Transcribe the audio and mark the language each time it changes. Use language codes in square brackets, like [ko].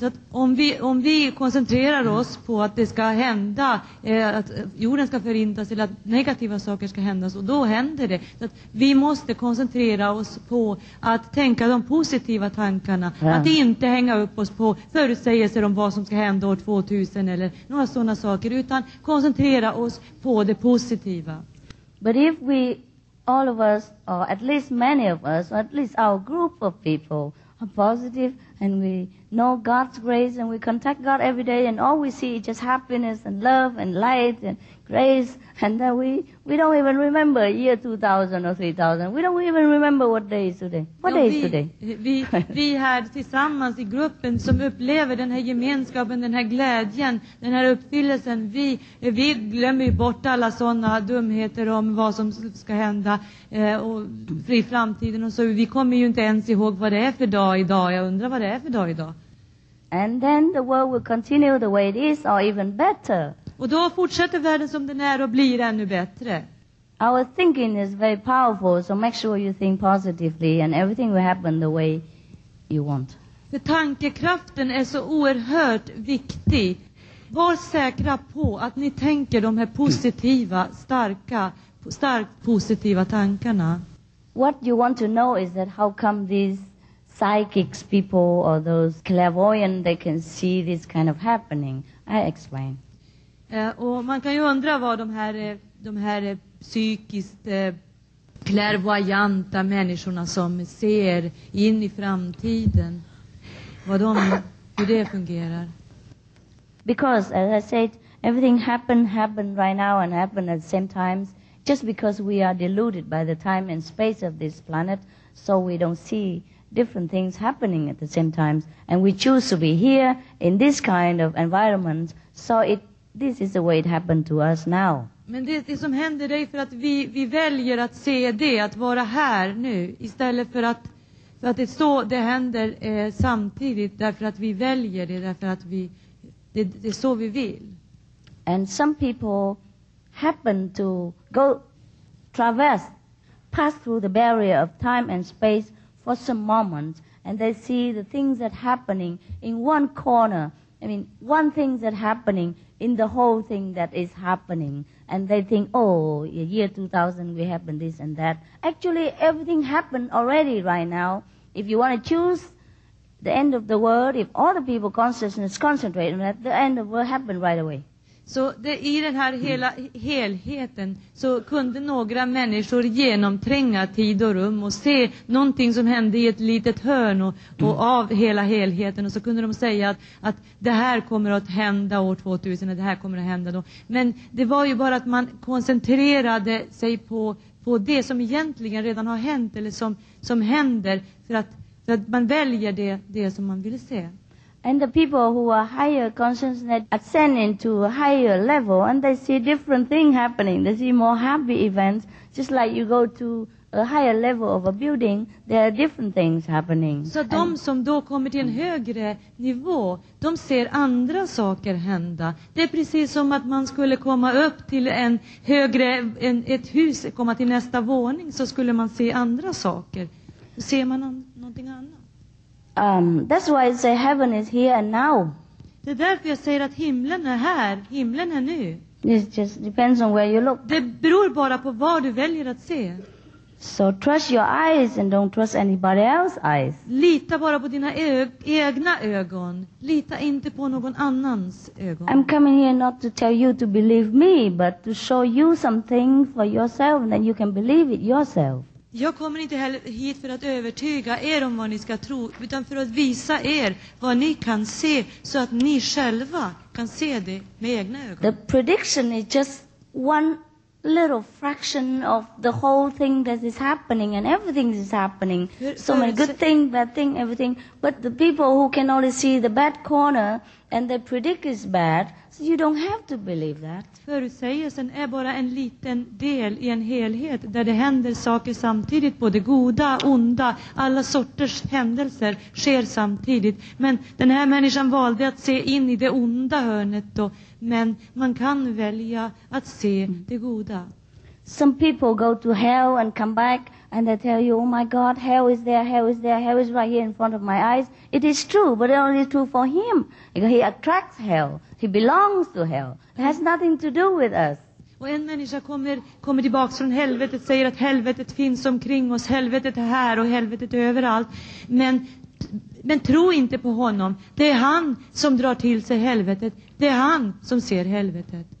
[sv] Så att om vi koncentrerar oss på att det ska hända, att jorden ska förintas eller att negativa saker ska hända, och då händer det. Så att vi måste koncentrera oss på att tänka de positiva tankarna. Ja. Att inte hänga upp oss på förutsägelser om vad som ska hända år 2000 eller några sådana saker, utan koncentrera oss på det positiva. [en] But if we all of us, or at least many of us, or at least our group of people, positive, and we know God's grace, and we contact God every day, and all we see is just happiness and love and light and grace, and then we don't even remember year 2000 or 3000. We don't even remember what day is today. What day is today? [sv] Vi här tillsammans i gruppen som upplever den här gemenskapen, den här glädjen, den här uppfyllelsen, vi glömmer bort alla sådana dumheter om vad som ska hända och i framtiden, och så vi kommer ju inte ens ihåg vad det är för dag idag. Jag undrar vad det är för dag idag. [en] And then the world will continue the way it is, or even better. [sv] Och då fortsätter världen som den är och blir ännu bättre. [en] Our thinking is very powerful, so make sure you think positively and everything will happen the way you want. [sv] För tankekraften är så oerhört viktig. Var säkra på att ni tänker de här positiva, starkt positiva tankarna. [en] What you want to know is that how come these psychics people or those clairvoyant, they can see this kind of happening. I explain. [sv] Och man kan ju undra vad de här psykiskt clairvoyanta människorna som ser in i framtiden, hur det fungerar. [en] Because as I said, everything happen right now and happen at the same times, just because we are deluded by the time and space of this planet, so we don't see different things happening at the same times, and we choose to be here in this kind of environment, so it this is the way it happened to us now. [sv] Men det som händer är för att vi väljer att se det, att vara här nu, istället för att det så det händer samtidigt, därför att vi väljer det, därför att vi det är så vi vill. [en] And some people happen to go traverse, pass through the barrier of time and space for some moments, and they see the things that happening in one corner. I mean, one thing that happening in the whole thing that is happening, and they think, oh, year 2000 we happened this and that. Actually, everything happened already right now. If you want to choose the end of the world, if all the people consciousness concentrate on that, the end of will happen right away. [sv] Så det, i den här hela helheten så kunde några människor genomtränga tid och rum och se någonting som hände i ett litet hörn och av hela helheten, och så kunde de säga att det här kommer att hända år 2000, det här kommer att hända då. Men det var ju bara att man koncentrerade sig på det som egentligen redan har hänt eller som händer, för att man väljer det som man vill se. [en] And the people who are higher consciousness ascend into a higher level, and they see different things happening. They see more happy events, just like you go to a higher level of a building, there are different things happening. [sv] Så de som då kommer till en högre nivå, de ser andra saker hända. Det är precis som att man skulle komma upp till en högre, ett hus, komma till nästa våning, så skulle man se andra saker. Ser man någonting annat? [en] That's why I say heaven is here and now. [sv] Det är därför jag säger att himlen är här, himlen är nu. [en] It just depends on where you look. [sv] Det beror bara på vad du väljer att se. [en] So trust your eyes and don't trust anybody else's eyes. [sv] Lita bara på dina egna ögon. Lita inte på någon annans ögon. [en] I'm coming here not to tell you to believe me, but to show you something for yourself, and then you can believe it yourself. [sv] Jag kommer inte heller hit för att övertyga er om vad ni ska tro, utan för att visa er vad ni kan se, så att ni själva kan se det med egna ögon. [en] The prediction is just one little fraction of the whole thing that is happening, and everything is happening. So many good thing, bad thing, everything. But the people who can only see the bad corner and they predict is bad, so you don't have to believe that. [sv] Förutsägelsen är bara en liten del i en helhet där det händer saker samtidigt, både goda, onda, alla sorters händelser sker samtidigt. Men den här människan valde att se in i det onda hörnet då. Men man kan välja att se det goda. [en] Some people go to hell and come back and they tell you, oh my God, hell is there, hell is there, hell is right here in front of my eyes. It is true, but it only is true for him. He attracts hell. He belongs to hell. It has nothing to do with us. [sv] Och en människa kommer tillbaka från helvetet och säger att helvetet finns omkring oss. Helvetet är här och helvetet är överallt. Men tro inte på honom. Det är han som drar till sig helvetet. Det är han som ser helvetet.